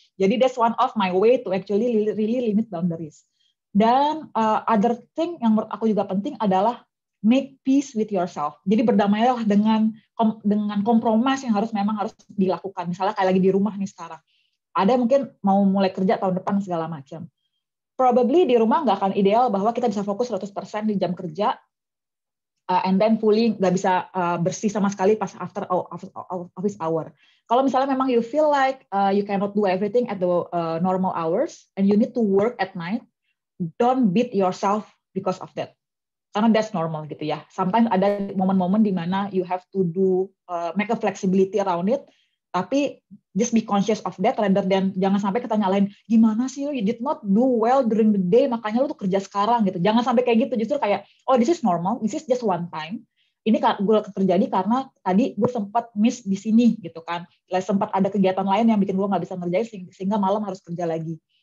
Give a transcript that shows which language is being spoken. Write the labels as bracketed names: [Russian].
[Indonesian] Jadi, [English] that's one of my way to actually really limit boundaries. [Indonesian] Dan [English] other thing [Indonesian] yang menurut aku juga penting adalah [English] make peace with yourself. [Indonesian] Jadi berdamailah dengan kompromis yang harus dilakukan. Misalnya kayak lagi di rumah nih sekarang. Ada mungkin mau mulai kerja tahun depan segala macam. Probably di rumah nggak akan ideal bahwa kita bisa fokus 100% di jam kerja [English] and then [Indonesian] fully nggak bisa bersih sama sekali pas [English] after office hour. [Indonesian] Kalau misalnya memang [English] you feel like you cannot do everything at the normal hours and you need to work at night, don't beat yourself because of that. [Indonesian] Karena [English] that's normal [Indonesian] gitu ya. [English] Sometimes [Indonesian] ada momen-momen di mana [English] you have to do make a flexibility around it. [Indonesian] Tapi [English] just be conscious of that rather than [Indonesian] jangan sampai kita nyalain, gimana sih [English] you did not do well during the day, [Indonesian] makanya lu tuh kerja sekarang gitu. Jangan sampai kayak gitu, justru kayak, [English] oh this is normal, this is just one time. [Indonesian] Ini gue terjadi karena tadi gue sempat miss di sini gitu kan. Sempat ada kegiatan lain yang bikin gue gak bisa ngerjain sehingga malam harus kerja lagi.